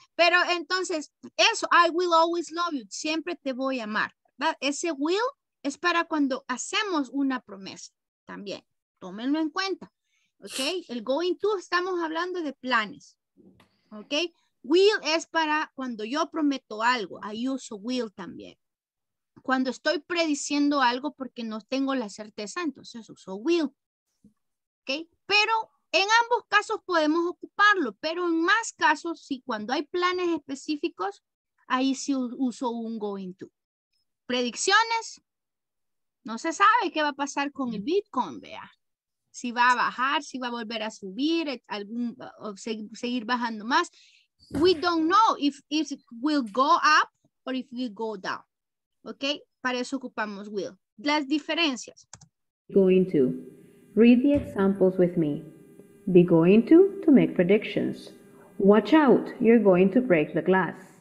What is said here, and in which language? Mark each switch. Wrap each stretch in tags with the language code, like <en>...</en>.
<es>Pero entonces, eso,</es> <en>I will always love you.</en> <es>Siempre te voy a amar. Ese will es para cuando hacemos una promesa también. Tómenlo en cuenta. Ok. El going to, estamos hablando de planes. Ok. Will es para cuando yo prometo algo. I uso will también. Cuando estoy prediciendo algo porque no tengo la certeza, entonces uso will. Ok. Pero en ambos casos podemos ocuparlo, pero en más casos, sí, cuando hay planes específicos, ahí sí uso un going to. Predicciones. No se sabe qué va a pasar con el Bitcoin, vea. si va a bajar, si va a volver a subir, algún, o seguir bajando más.</es> <en>We don't know if it will go up or if it will go down.</en> <es>Okay? Para eso ocupamos will. Las diferencias.</es> <en>Going to. Read the examples with me. Be going to make predictions. Watch out, you're going to break the glass.</en>